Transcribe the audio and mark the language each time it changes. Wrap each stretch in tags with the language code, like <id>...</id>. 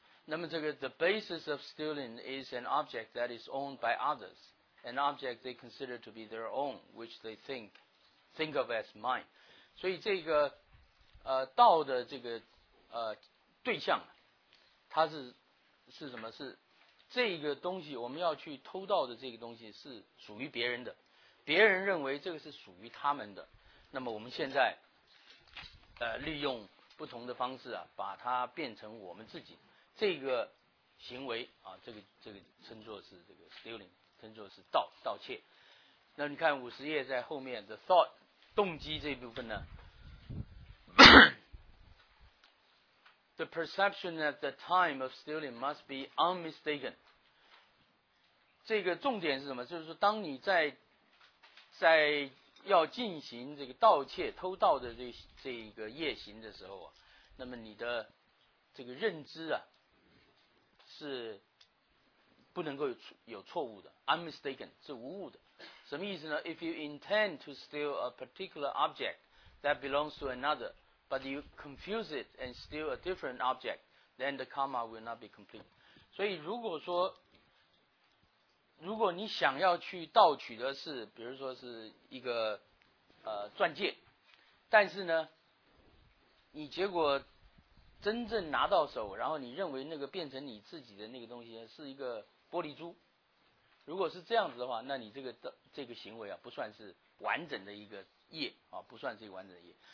<zh>那么这个</zh> <en>the basis of stealing is an object that is owned by others， an object they consider to be their own， which they think of as mine。</en> <zh>所以这个道的这个对象它是什么，是这个东西我们要去偷盗的，这个东西是属于别人的，别人认为这个是属于他们的，那么我们现在利用不同的方式啊把它变成我们自己，这个行为啊这个称作是这个 stealing， 称作是盗窃。那你看50页在后面</zh> <en>the thought</en> <zh>动机这部分呢</zh> <en>The perception at the time of stealing must be unmistaken。</en> <zh>这个重点是什么，就是说当你在要进行这个盗窃偷盗的这个业行的时候啊，那么你的这个认知啊是不能够有错误的， unmistaken 是无误的。什么意思呢？</zh> <en>If you intend to steal a particular object that belongs to another, but you confuse it and steal a different object, then the karma will not be complete.</en> <zh>所以如果说，如果你想要去盗取的是，比如说是一个钻戒，但是呢，你结果真正拿到手，然后你认为那个变成你自己的那个东西是一个玻璃珠，如果是这样子的话，那你这个行为啊不算是完整的一个业啊，不算是一个完整的业。</zh>